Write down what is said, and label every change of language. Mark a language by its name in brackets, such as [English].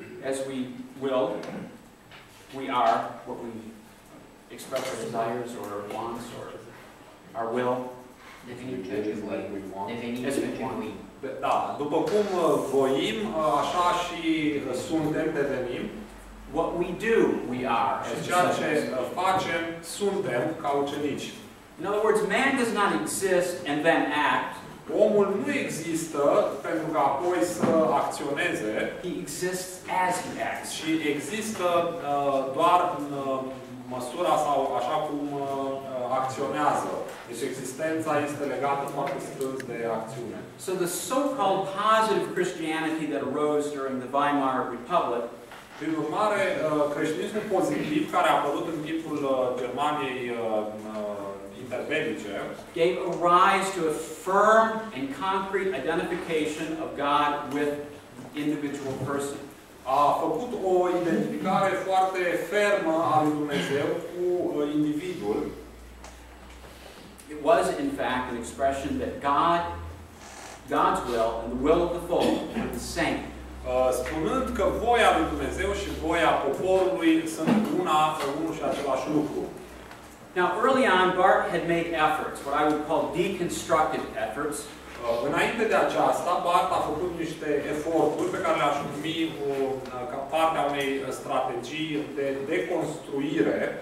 [English] As we will, we are what we express our desires or our wants or our will. If any judge we want. [Romanian] Da, după cum voim, așa și suntem, devenim. [English] What we do, we are. [Romanian] Și ceea ce facem, suntem ca ucenici. [English] In other words, man does not exist and then act. [Romanian] Omul nu există pentru ca apoi să acționeze. [English] He exists as he acts. [Romanian] Și există doar în măsura sau așa cum acționează. Deci existența este legată foarte strâns de acțiune. [English] So the so-called positive Christianity that arose during the Weimar Republic, [Romanian] prin urmare, creștinismul pozitiv care a apărut în timpul Germaniei interbelice, [English] gave a rise to a firm and concrete identification of God with the individual person. [Romanian] A făcut o identificare foarte fermă a lui Dumnezeu cu individul. [English] It was, in fact, an expression that God's will and the will of the folk are the same. [Romanian] Spunând că voia lui Dumnezeu și voia poporului sunt unul și același lucru. [English] Now, early on, Bart had made efforts, what I would call deconstructive efforts. [Romanian] Înainte de aceasta, Bart a făcut niște eforturi pe care le-aș numi ca partea unei strategii de deconstruire.